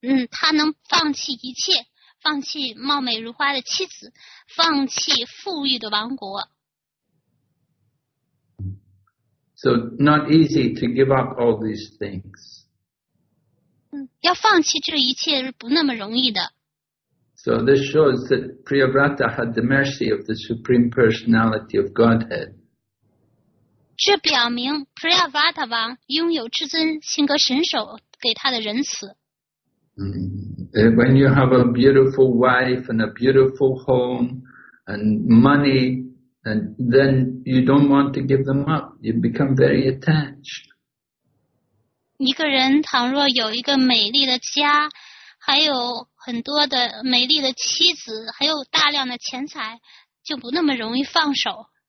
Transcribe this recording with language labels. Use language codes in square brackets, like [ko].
[zh] 他能放弃一切，放弃貌美如花的妻子，放弃富裕的王国。 [en] So not easy to give up all these things. [zh] 要放弃这一切是不那么容易的。 [en] So this shows that Priyavrata had the mercy of the Supreme Personality of Godhead. [zh] 这表明 Priyavrata 王拥有至尊性格神手给他的仁慈。 [en] When you have a beautiful wife and a beautiful home and money, and then you don't want to give them up, you become very attached. [zh] 一个人倘若有一个美丽的家，还有很多的美丽的妻子，还有大量的钱财，就不那么容易放手。